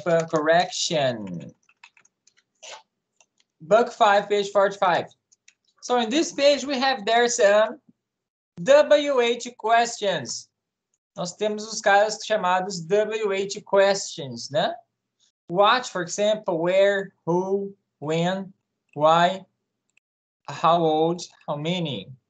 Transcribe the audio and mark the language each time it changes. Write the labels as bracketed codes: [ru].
[en] Correction. Book 5, page 45. So in this page, we have there some WH questions. [pt] Nós temos os casos chamados [en] WH questions, [pt] né? [en] What, for example, where, who, when, why, how old, how many.